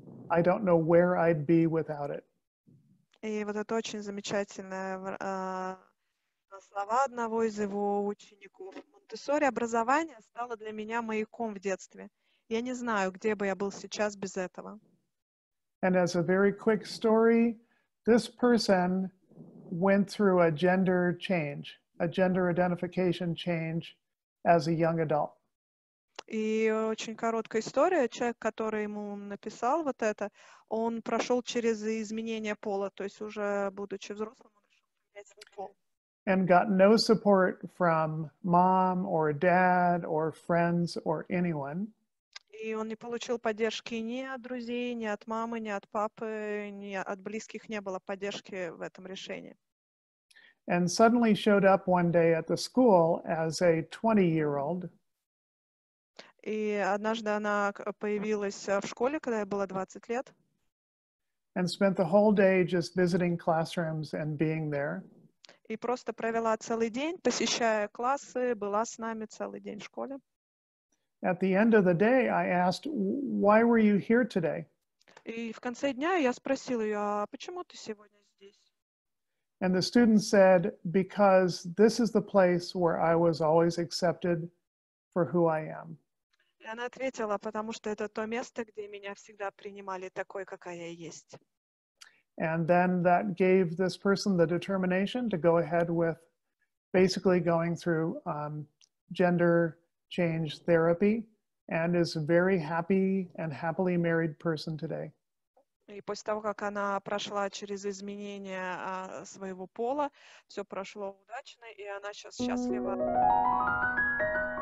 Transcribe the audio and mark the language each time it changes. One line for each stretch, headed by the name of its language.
English: I don't know where I'd be without it.
Russian: И вот это очень замечательные слова одного из его учеников. Монтессори образование стало для меня маяком в детстве. Я не знаю, где бы я был сейчас без этого.
English: And as a very quick story, this person went through a gender change, a gender identification change as a young adult.
Russian: И очень короткая история. Человек, который ему написал вот это, он прошел через изменение пола, то есть уже будучи взрослым, он решил поменять свой пол.
English: And got no support from mom or dad or friends or anyone.
Russian: И он не получил поддержки ни от друзей, ни от мамы, ни от папы, ни от близких не было поддержки в этом решении.
English: And suddenly showed up one day at the school as a 20-year-old.
Russian: И однажды она появилась в школе, когда ей было 20 лет.
English: And spent the whole day just visiting classrooms and being there.
Russian: И просто провела целый день, посещая классы, была с нами целый день в школе.
English: At the end of the day, I asked, why were you here today?
Russian: И в конце дня я спросил ее, а почему ты сегодня здесь?
English: And the student said, because this is the place where I was always accepted for who I am.
Russian: И она ответила, потому что это то место, где меня всегда принимали такой, какая я есть.
English: And then that gave this person the determination to go ahead with basically going through gender change therapy and is a very happy and happily married person today.
Russian: И после того, как она прошла через изменение своего пола, все прошло удачно, и она сейчас счастлива.